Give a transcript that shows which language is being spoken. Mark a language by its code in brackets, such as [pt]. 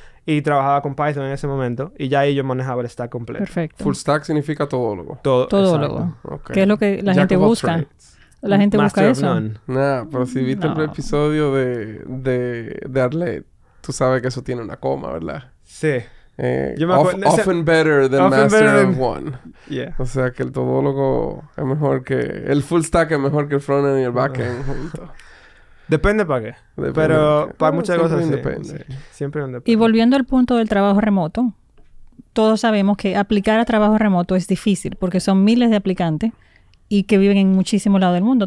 [es] Y trabajaba con Python en ese momento. Y ya ahí yo manejaba el stack completo. Perfecto. Full-stack significa todólogo. Todólogo. Okay. ¿Qué es lo que la gente busca? ¿La gente busca eso? Nah, pero si viste el episodio de Arlette, tú sabes que eso tiene una coma, ¿verdad? Sí. [en] Often better than master of one. Yeah. [es] O sea, que el todólogo es mejor que... El full stack es mejor que el front end y el back end junto. Depende para qué. Depende. Pero para muchas cosas depende. Siempre depende. Y volviendo al punto del trabajo remoto, todos sabemos que aplicar a trabajo remoto es difícil porque son miles de aplicantes y que viven en muchísimos lados del mundo.